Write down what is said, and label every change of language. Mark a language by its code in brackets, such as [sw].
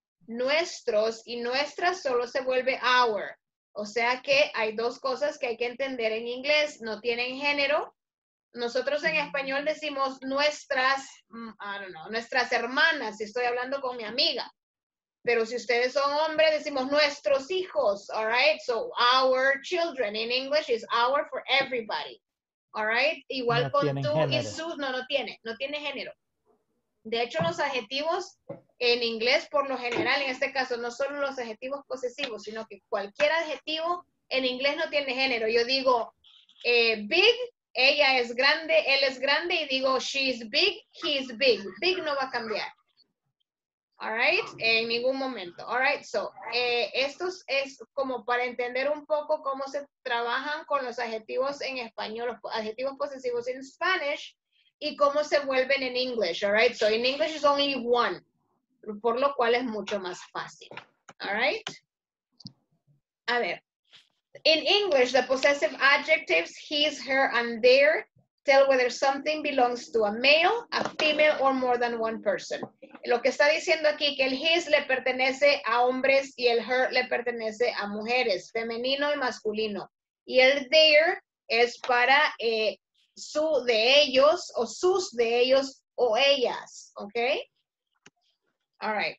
[es] Nuestros y nuestras solo se vuelve our. O sea que hay dos cosas que hay que entender en inglés. No tienen género. Nosotros en español decimos nuestras, nuestras hermanas. Si estoy hablando con mi amiga. Pero si ustedes son hombres, decimos nuestros hijos. [en] All right? So our children in English is our for everybody. All right? [es] Igual no con tú y su, no tiene género. De hecho, los adjetivos en inglés, por lo general, en este caso, no solo los adjetivos posesivos, sino que cualquier adjetivo en inglés no tiene género. Yo digo big, ella es grande, él es grande, y digo [en] she's big, he's big. [es] Big no va a cambiar. [en] All right? [es] En ningún momento. [en] All right? [es] So, esto es como para entender un poco cómo se trabajan con los adjetivos en español, los adjetivos posesivos en Spanish, y cómo se vuelven en English, all right? [en] So in English is only one, [es] por lo cual es mucho más fácil, all right? A ver, [en] in English, the possessive adjectives his, her, and their tell whether something belongs to a male, a female, or more than one person. [es] Lo que está diciendo aquí, que el his le pertenece a hombres y el her le pertenece a mujeres, femenino y masculino. Y el their es para... su de ellos o sus de ellos o ellas, ¿ok? All right.